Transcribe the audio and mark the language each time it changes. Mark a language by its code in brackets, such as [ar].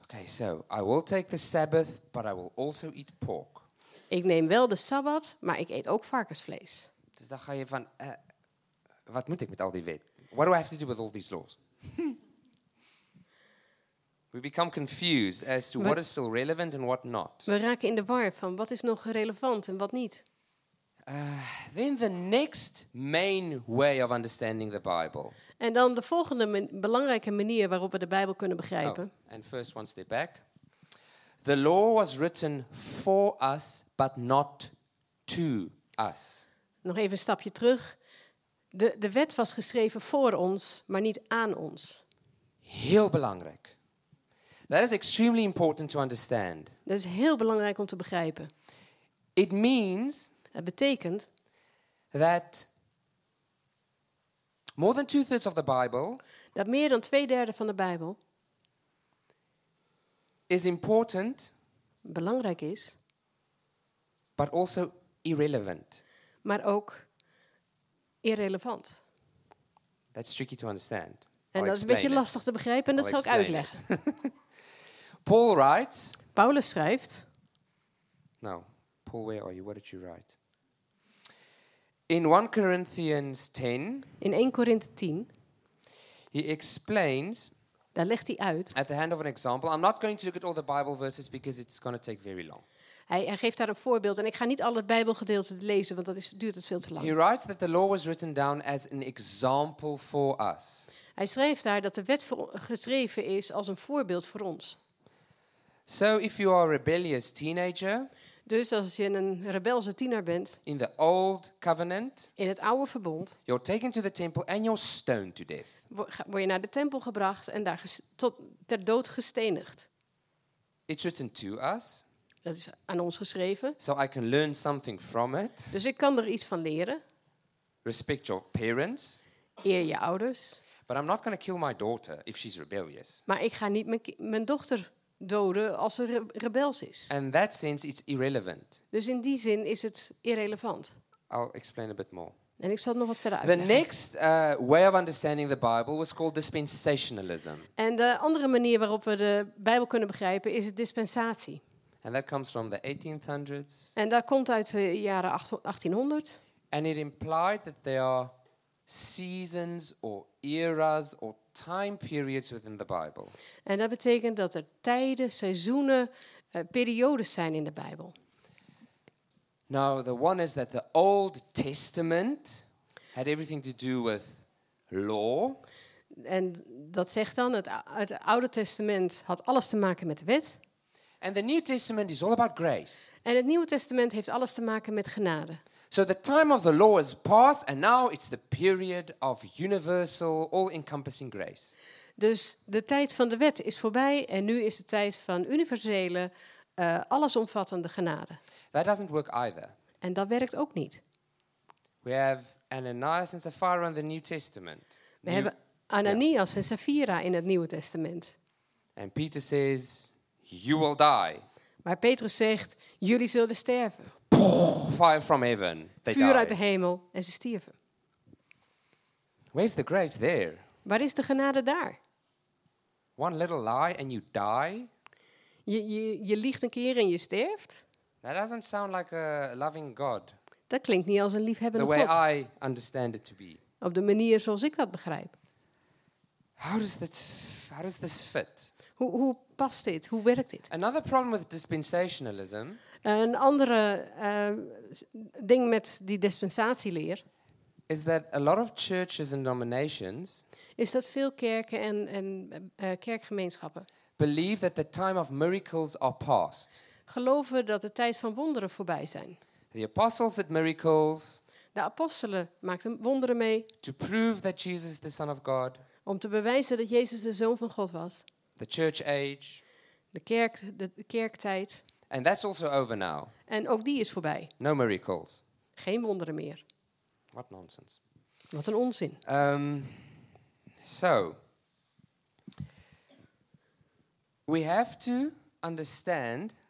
[en] Okay, so I will take the Sabbath, but I will also eat pork. [nl] Ik neem wel de Sabbat, maar ik eet ook varkensvlees. Dus dan ga je van, wat moet ik met al die wet? [en] What do I have to do with all these laws? We become confused as to what is still relevant and what not. [nl] We raken in de war van wat is nog relevant en wat niet. [en] Then the next main way of understanding the Bible. [nl] En dan de volgende belangrijke manier waarop we de Bijbel kunnen begrijpen. [en] Oh, and first one step back. The law was written for us, but not to us. [nl] Nog even een stapje terug. De wet was geschreven voor ons, maar niet aan ons. Heel belangrijk. [en] That is extremely important to understand. [nl] Dat is heel belangrijk om te begrijpen. [en] It means. [nl] Het betekent [en] that more than 2/3 of the Bible, [nl] dat meer dan 2/3 van de Bijbel [en] is important, [nl] belangrijk is, [en] but also irrelevant. [nl] Maar ook irrelevant. [en] That's tricky to understand. [nl] En dat is een beetje lastig te begrijpen en dat zal ik uitleggen. [en] Paul writes. [nl] Paulus schrijft. [en] Nou, Paul, where are you? What did you write? In 1 Corinthians 10. [nl] In 1 Korinthe 10. [en] He explains. [nl] Daar legt hij uit. [en] At the hand of an example. I'm not going to look at all the Bible verses because it's going to take very long. [nl] Hij geeft daar een voorbeeld en ik ga niet alle Bijbelgedeelten lezen, want duurt het veel te lang. [en] He writes that the law was written down as an example for us. [nl] Hij schrijft daar dat de wet geschreven is als een voorbeeld voor ons. [en] So if you are a rebellious teenager, [nl] dus als je een rebelse tiener bent, [en] in the old covenant, [nl] in het oude verbond, [en] you're taken to the temple and you're stoned to death. [nl] Word je naar de tempel gebracht en daar ter dood gestenigd. [en] It's written to us. [nl] Dat is aan ons geschreven. [en] So I can learn something from it. [nl] Dus ik kan er iets van leren. [en] Respect your parents. [nl] Eer je ouders. [en] But I'm not going to kill my daughter if she's rebellious. [nl] Maar ik ga niet mijn dochter doden als ze rebels is. [en] And that sense it's irrelevant. [nl] Dus in die zin is het irrelevant. [en] I'll explain a bit more. [nl] En ik zal het nog wat verder uitleggen. [en] The next way of understanding the Bible was called dispensationalism. [nl] En de andere manier waarop we de Bijbel kunnen begrijpen is dispensatie. [en] And that comes from the 1800s. [nl] En dat komt uit de jaren 1800. [en] And it implied that there are seasons or eras or time periods within the Bible. [nl] En dat betekent dat er tijden, seizoenen, periodes zijn in de Bijbel. [en] Now the one is that the Old Testament had everything to do with law. [nl] En dat zegt dan het Oude Testament had alles te maken met de wet. [en] And the New Testament is all about grace. [nl] En het Nieuwe Testament heeft alles te maken met genade. [en] So the time of the law is past and now it's the period of universal, all-encompassing grace. [nl] Dus de tijd van de wet is voorbij en nu is de tijd van universele, allesomvattende genade. [en] That doesn't work either. [nl] En dat werkt ook niet. [en] We have Ananias and Sapphira in the New Testament. [nl] We hebben Ananias en Sapphira in het Nieuwe Testament. [en] And Peter says, you will die. [nl] Maar Petrus zegt, jullie zullen sterven. [en] Fire from heaven. They [nl] vuur [en] die. [nl] Uit de hemel en ze stierven. [en] Where's the grace there? [nl] Waar is de genade daar? [en] One little lie and you die. [nl] Je liegt een keer en je sterft. [en] That doesn't sound like a loving God. [nl] Dat klinkt niet als een liefhebbende [en] the way [nl] God. [en] I understand it to be. [nl] Op de manier zoals ik dat begrijp. [en] How does this fit? [nl] Hoe past dit? Hoe werkt dit? [en] Another problem with dispensationalism. [nl] Een andere ding met die dispensatieleer [en] is that a lot of churches and denominations [nl] is dat veel kerken kerkgemeenschappen [en] believe that the time of miracles are past. [nl] Geloven dat de tijd van wonderen voorbij zijn. [en] The apostles did miracles. [nl] De apostelen maakten wonderen mee. [en] To prove that Jesus is the Son of God. [nl] Om te bewijzen dat Jezus de Zoon van God was. [en] The church age. [nl] De kerktijd. [en] And that's also over now. [nl] En ook die is voorbij. [en] No miracles. [nl] Geen wonderen meer. [en] What nonsense. [nl] Wat een onzin. [en] So we have to understand.